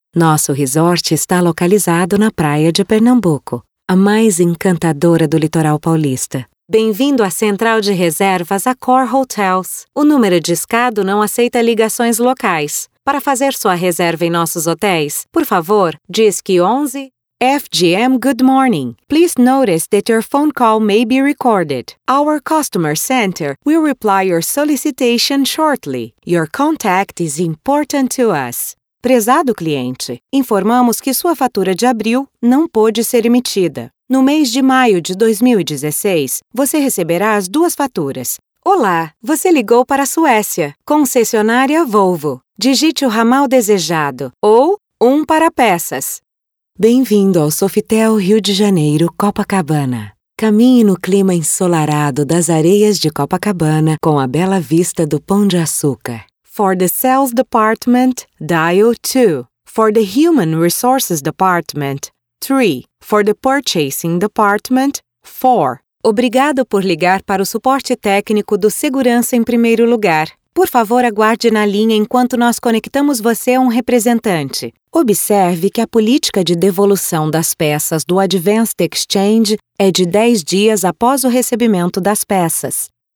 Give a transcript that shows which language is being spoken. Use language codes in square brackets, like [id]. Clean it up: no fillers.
[pt] Nosso resort está localizado na praia de Pernambuco, a mais encantadora do litoral paulista. Bem-vindo à central de reservas Accor Hotels. O número discado não aceita ligações locais. Para fazer sua reserva em nossos hotéis, por favor, disque 11 FGM Good Morning. [en] Please notice that your phone call may be recorded. Our customer center will reply your solicitation shortly. Your contact is important to us. [pt] Prezado cliente, informamos que sua fatura de abril não pôde ser emitida. No mês de maio de 2016, você receberá as duas faturas. Olá, você ligou para a Suécia, concessionária Volvo. Digite o ramal desejado ou um para peças. Bem-vindo ao Sofitel Rio de Janeiro Copacabana. Caminhe no clima ensolarado das areias de Copacabana com a bela vista do Pão de Açúcar. [en] For the Sales Department, dial 2. For the Human Resources Department, 3. For the Purchasing Department, 4. [pt] Obrigado por ligar para o suporte técnico do Segurança em Primeiro Lugar. Por favor, aguarde na linha enquanto nós conectamos você a um representante. Observe que a política de devolução das peças do Advanced Exchange é de 10 dias após o recebimento das peças.